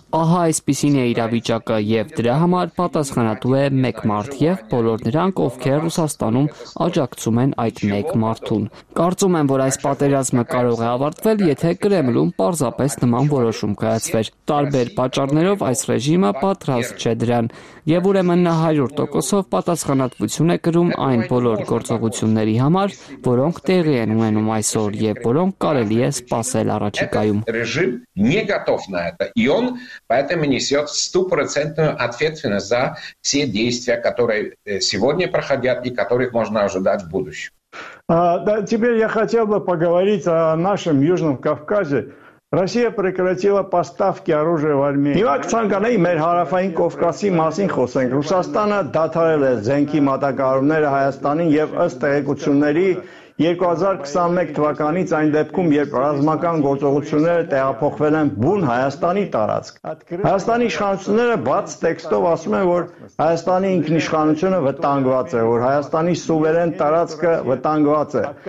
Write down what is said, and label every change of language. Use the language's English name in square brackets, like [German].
[Armenian] Ահա այսպիսին է իրավիճակը, եւ դրա համար պատասխան հանատու է մեկ մարդ եւ բոլոր նրանք, ովքեր Ռուսաստանում աջակցում են այդ մեկ մարդուն։ Կարծում եմ, որ այս պատերազմը կարող է ավարտվել, եթե Կրեմլում պարզապես նման որոշում կայացվեր։ Տարբեր պատճառներով այս ռեժիմը պատրաստ չէ դրան, եւ ուրեմն 100%-ով պատասխանատվություն է կրում այն բոլոր գործողությունների համար, որոնք տեղի են ունենում այսօր եւ որոնք կարելի է սпасել առաջիկայում։ [Russian] Ռեժիմ не готов на это, и он поэтому несёт 100%-ную ответственность за все действия, которые сегодня проходят и которых можно ожидать в будущем. Да, теперь я хотел бы поговорить о нашем Южном Кавказе. Россия прекратила поставки оружия в Армению. [Armenian] Իվակ ցանկանայի մեր հարավային Կովկասի մասին խոսենք։ Ռուսաստանը դադարել է զենքի մատակարարումները Հայաստանին եւ ըստ տեղեկությունների 2021 թվականից այն դեպքում, երբ ռազմական գործողությունները տեղափոխվել են բուն Հայաստանի տարածք։ Հայաստանի իշխանությունները բաց տեքստով ասում են, որ Հայաստանի ինքնիշխանությունը վտանգված է, որ Հայաստանի սուվերեն տարածքը վտանգված է։